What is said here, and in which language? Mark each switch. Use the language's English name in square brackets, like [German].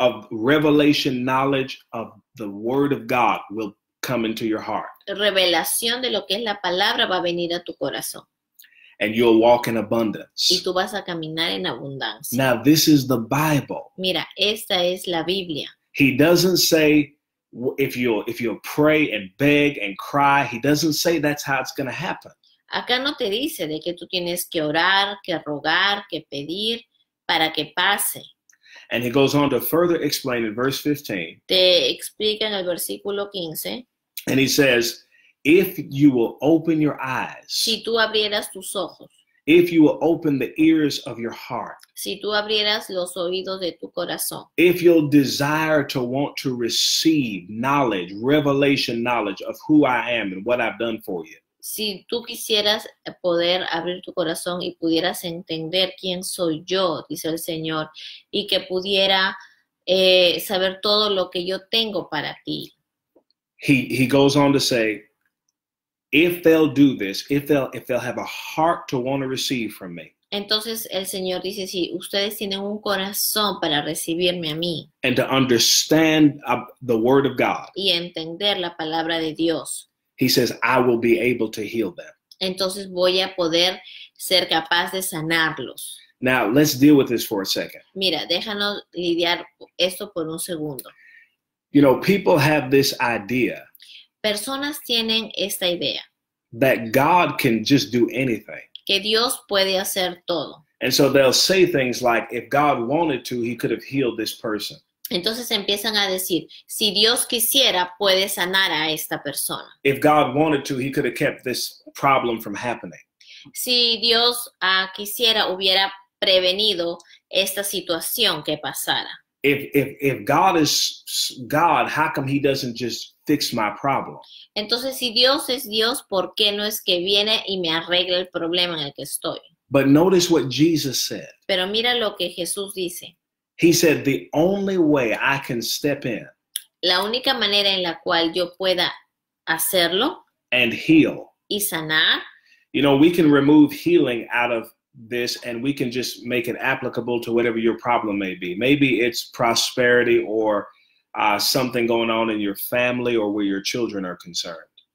[English] Revelation, knowledge of the Word of God will come into your heart. [Spanish] revelación de lo que es la palabra va a venir a tu corazón. [English] And you'll walk in abundance. [Spanish] Y tú vas a caminar en abundancia. [English] Now, this is the Bible. [Spanish] Mira, esta es la Biblia. [English] He doesn't say if you'll pray and beg and cry, he doesn't say that's how it's going to happen. [Spanish] Acá no te dice de que tú tienes que orar, que rogar, que pedir para que pase. [English] And he goes on to further explain in verse 15. [Spanish] Te explica en el versículo 15. [English] And he says, if you will open your [Spanish] Si [English] eyes, [Spanish] tú abrieras tus ojos, [English] if you will open the ears of your heart, [Spanish] si tú abrieras los oídos de tu corazón, [English] if you'll desire to want to receive knowledge, revelation knowledge of who I am and what I've done for you, [Spanish] si tú quisieras poder abrir tu corazón y pudieras entender quién soy yo, dice el Señor, y que pudiera saber todo lo que yo tengo para ti. [English] he goes on to say, if they'll do this, if they'll have a heart to want to receive from me, [Spanish] Entonces el Señor dice, si ustedes tienen un corazón para recibirme a mí [English] And to understand the word of God, [Spanish] y entender la palabra de Dios, [English] he says, I will be able to heal them. [Spanish] entonces voy a poder ser capaz de sanarlos. [English] Now, let's deal with this for a second. [Spanish] Mira, déjanos lidiar esto por un segundo. [English] You know, people have this idea [Spanish] Personas tienen esta idea [English] that God can just do anything. [Spanish] que Dios puede hacer todo. [English] And so they'll say things like, if God wanted to, he could have healed this person. [Spanish] Entonces empiezan a decir, si Dios quisiera, puede sanar a esta persona. [English] If God wanted to, he could have kept this problem from happening. [Spanish] Si Dios quisiera, hubiera prevenido esta situación que pasara. [English] If God is God, how come he doesn't just fix my problem? [Spanish] Entonces, si Dios es Dios, ¿por qué no es que viene y me arregle el problema en el que estoy? [English] But notice what Jesus said. [Spanish] Pero mira lo que Jesús dice. [English] He said, the only way I can step in [Spanish] La única manera en la cual yo pueda hacerlo [English] and heal. [Spanish] y sanar. [English] You know, we can remove healing out of this and we can just make it applicable to whatever your problem may be. Maybe it's prosperity or something going on in your family or where your children are concerned.